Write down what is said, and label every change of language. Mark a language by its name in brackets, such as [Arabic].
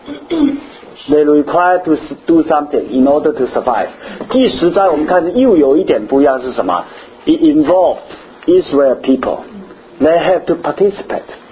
[English] They require to do something in order to survive。 [Chinese] 第十灾我们看又有一点不一样是什么？ [English] It involved Israel people， They have to participate。